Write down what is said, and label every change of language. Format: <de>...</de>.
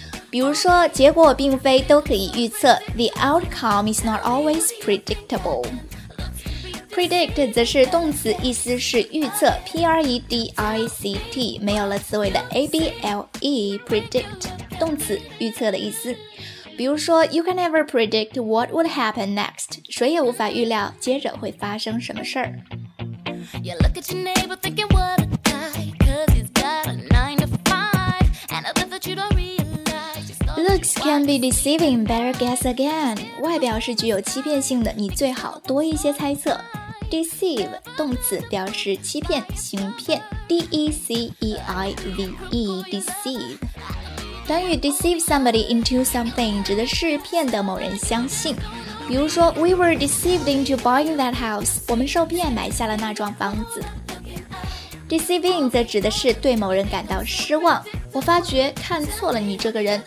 <zh>比如说，结果并非都可以预测。</zh> <en>The outcome is not always predictable.</en> <zh>Predict 则是动词，意思是预测。P-R-E-D-I-C-T 没有了词尾的 A-B-L-E predict. 动词预测的意思，比如说</zh> <en>You can never predict what would happen next.</en> <zh>谁也无法预料接着会发生什么事儿。</zh> <en>You look at your neighbor thinking what a guy, 'cause he's got a 9-to-5, and a life that you don't realize. Looks can be deceiving, better guess again.</en> <zh>外表是具有欺骗性的，你最好多一些猜测。 Deceive 动词表示欺骗、行骗。</zh> <en>D-E-C-E-I-V-E, deceive.</en> <zh>短语</zh> <en>deceive somebody into something</en> <zh>指的是骗得某人相信，比如说</zh> <en>We were deceived into buying that house.</en> <zh>我们受骗买下了那幢房子。Deceiving 则指的是对某人感到失望，我发觉看错了你这个人。</zh>